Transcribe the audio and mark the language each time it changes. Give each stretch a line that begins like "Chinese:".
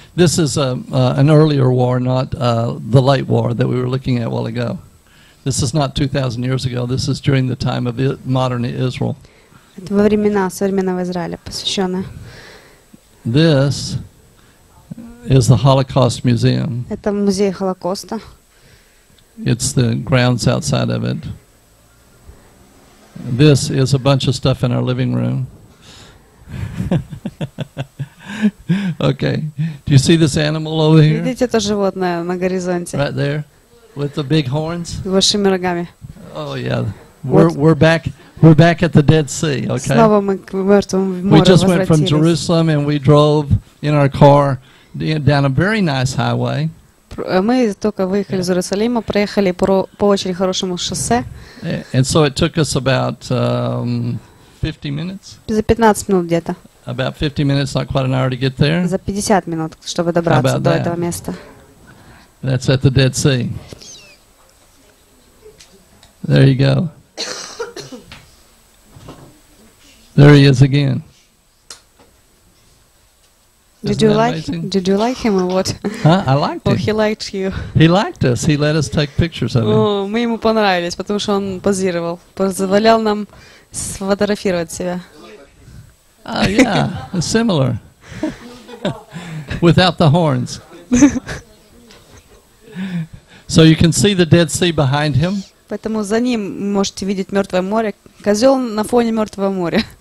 English: This is an earlier war, not the late war that we were looking at a while ago. This is not 2,000 years ago. This is during the time of modern Israel.
Russian: Это во времена современного Израиля, посвященное.
English: This is the Holocaust Museum.
Russian: Это музей Холокоста.
English: It's the grounds outside of it. This is a bunch of stuff in our living room. Okay. Do you see this animal over here?
Russian: Видите это животное на горизонте?
English: Right there, with the big horns.
Russian: С большими рогами.
English: Oh yeah. We're back at the Dead Sea. Okay.
Russian: Снова мы к мертвому морю возвратились.
English: We just went from Jerusalem and we drove in our car. Down a very nice highway.
Russian: Мы только выехали из Иерусалима, проехали по очень хорошему шоссе.
English: And so it took us about 50 minutes.
Russian: За 15 минут где-то.
English: About 50 minutes, not quite an hour to get there.
Russian: За 50 минут, чтобы добраться до этого места.
English: That's at the Dead Sea. There you go. There he is again. Did you like him or what? Huh? I liked him. Well, he liked you. He liked us. He let us take pictures of him.
Russian: Ну, мы ему понравились, потому что он позировал, позволял нам сфотографировать себя.
English: Yeah, similar. Without the horns. So you can see the Dead Sea behind him.
Russian: Поэтому за ним можете видеть Мертвое море. Козел на фоне Мертвого моря.